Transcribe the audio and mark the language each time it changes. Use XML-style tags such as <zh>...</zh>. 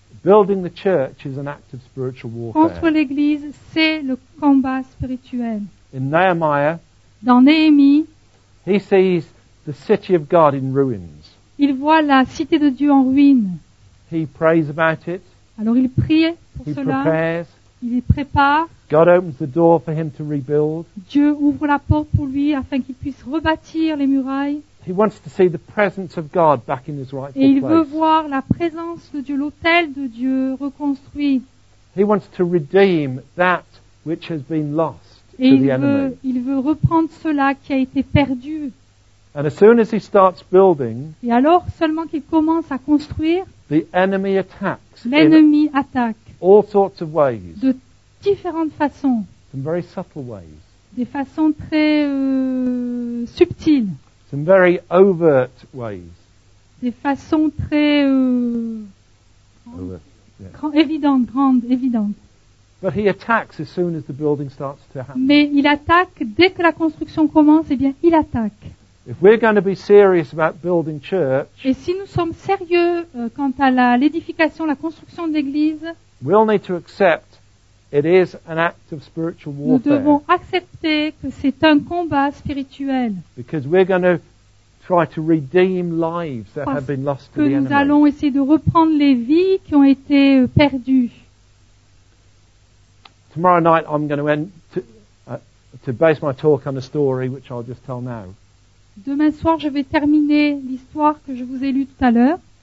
<en>Building the church is an act of spiritual warfare.</en> <fr>Contre l'église, c'est le combat spirituel.</fr> <en>In Nehemiah,</en> <fr>dans Néhémie,</fr> <en>he sees the city of God in ruins.</en> <fr>Il voit la cité de Dieu en ruine.</fr> <en>He prays about it.</en> <fr>Alors il prie pour</fr> <en>he</en> <fr>cela.</fr> <en>Prepares.</en> <fr>Il y prépare.</fr> <en>God opens the door for him to rebuild.</en> <fr>Dieu ouvre la porte pour lui afin qu'il puisse rebâtir les murailles.</fr> <en>He wants to see the presence of God back in his rightful place.</en> <fr>Et il veut voir la présence de Dieu, l'autel de Dieu reconstruit.</fr> <en>He wants to redeem that which has been lost</en> <fr>et</fr> <en>to</en> <fr>il</fr> <en>the</en> <fr>veut,</fr> <en>enemy.</en> <fr>Il veut reprendre cela qui a été perdu.</fr> <en>And as soon as he starts building,</en> <fr>et alors seulement qu'il commence à construire,</fr> <en>the enemy attacks.</en> <fr>L'ennemi attaque.</fr> <en>All sorts of ways.</en> <fr>De différentes façons.</fr> <en>Some very subtle ways.</en> <fr>Des façons très subtiles.</fr> <en>Some very overt ways.</en> <fr>Des façons très grandes, évidentes.</fr> <en>But he attacks as soon as the building starts to happen.</en> <fr>Mais il attaque dès que la construction commence, eh bien il attaque.</fr> <en>If we're going to be serious about building church,</en> <fr>et si nous sommes sérieux quant à l'édification, la construction de l'église,</fr> <en>we'll need to accept it is an act of spiritual warfare.</en> <fr>Nous devons accepter que c'est un combat spirituel.</fr> <en>Because we're going to try to redeem lives that</en> <fr>parce</fr> <en>have been lost to the enemy.</en> <fr>Nous allons essayer de reprendre les vies qui ont été perdues.</fr> <en>Tomorrow night I'm going to end to base my talk on a story which I'll just tell now.</en> <fr>Demain soir, je vais terminer l'histoire que je vous ai lue tout à l'heure.</fr>